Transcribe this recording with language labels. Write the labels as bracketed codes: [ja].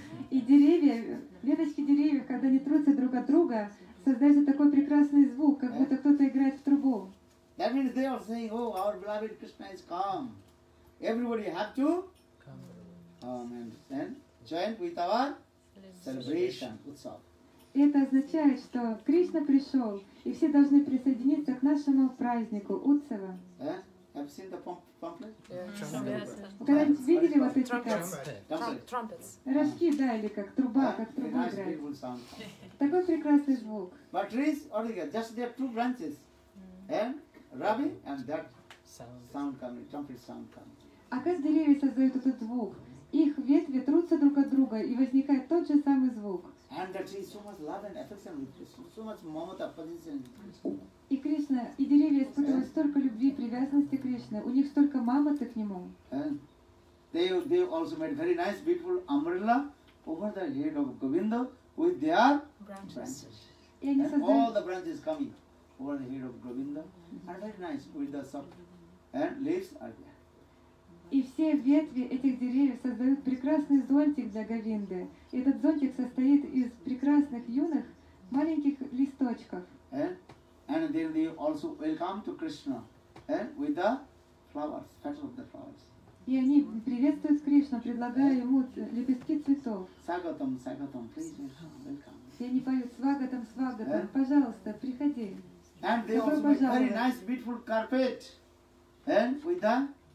[ru] И деревья, веточки деревьев, когда они трутся друг от друга, создают такой прекрасный звук, как будто кто-то играет в трубу. [en] That means they are saying, oh, our beloved Krishna is come. Everybody have to come and join with our celebration, utsav. [ru] И это означает, что Кришна пришел, и все должны присоединиться к нашему празднику, Утсава. [en] Have you seen the pamphlet? [ru] Когда-нибудь видели вот эти как? [en] Trumpets. [ru] Рожки, да, или как труба, как труба играет. Такой прекрасный звук. [en] But trees, just there are two branches. Rabi and that sound coming, trumpet sound coming. [ru] А как деревья создают этот звук? Их ветви трутся друг от друга, и возникает тот же самый звук. [en] And the tree so much love and affection with Krishna, so much mamata position with Krishna. [ru] И Кришна, и деревья испытывают столько любви, привязанности к Кришне, у них столько мамата к нему. [en] And they also made very nice, beautiful umbrella over the head of Govinda with their branches. And all the branches coming over the head of Govinda are very nice with the soft and leaves are there. [ru] И все ветви этих деревьев создают прекрасный зонтик для Говинды. И этот зонтик состоит из прекрасных юных маленьких листочков. [en] And then they also welcome to Krishna with the flowers, petals of the flowers. [ru] И они приветствуют Кришну, предлагая ему лепестки цветов. Свагатам, свагатам, [en] please welcome. [ru] Все они поют свагатам, свагатам, пожалуйста, приходи. [en] And they also make very nice, beautiful carpet with the